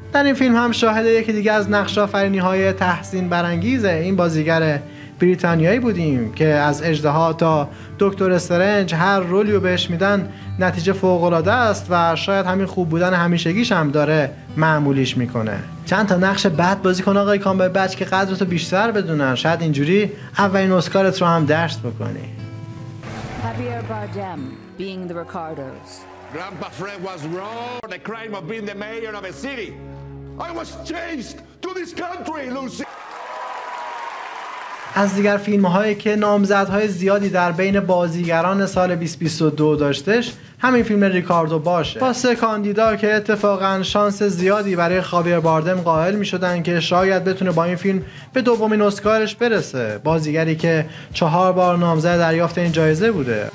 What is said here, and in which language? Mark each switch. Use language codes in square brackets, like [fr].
[fa] در این فیلم هم شاهد یکی دیگه از نقش آفرینی های تحسین برانگیزه این بازیگر بریتانیایی بودیم که از اژدها تا دکتر استرنج هر رولی رو بهش میدن نتیجه فوق العاده است و شاید همین خوب بودن همیشگیش هم داره معمولیش میکنه. چند تا نقش بد بازی کن آقای کامبربچ که قدرتو بیشتر بدونن، شاید اینجوری اولین اسکارت رو هم دست بکنی. [en] Javier Bardem, Being the Ricardos. Grandpa Fred was wrong for the crime of being the mayor of a city. I was chased to this country, Lucy. [fa] از دیگر فیلم هایی که نامزدهای زیادی در بین بازیگران سال 2022 داشتش همین فیلم ریکاردو باشه، با سه کاندیدا که اتفاقا شانس زیادی برای خاویر باردم قائل می شدن که شاید بتونه با این فیلم به دومین اسکارش برسه، بازیگری که 4 بار نامزد دریافت این جایزه بوده.